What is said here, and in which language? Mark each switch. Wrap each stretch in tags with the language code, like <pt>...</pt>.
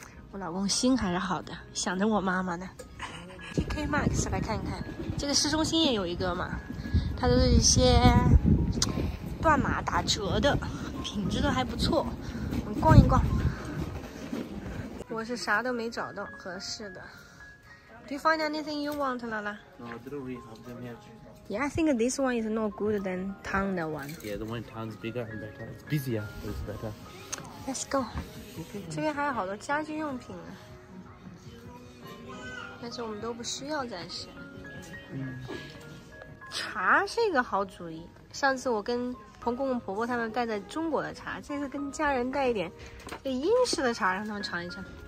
<zh>我老公心还是好的，想着我妈妈呢。TK Max 来看一看，这个市中心也有一个嘛，它都是一些断码打折的，品质都还不错，我们逛一逛。我是啥都没找到合适的。</zh> <en>Do you find anything you want, Lala? No, I didn't really have them yet. Yeah, I think this one is not good than town that one. Yeah, the one in town is bigger and better. It's busier, it's better. Let's go.</en> <zh>这边还有好多家居用品呢。但是我们都不需要暂时。茶是一个好主意，上次我跟彭公公婆婆他们带的中国的茶，这次跟家人带一点英式的茶让他们尝一尝。</zh>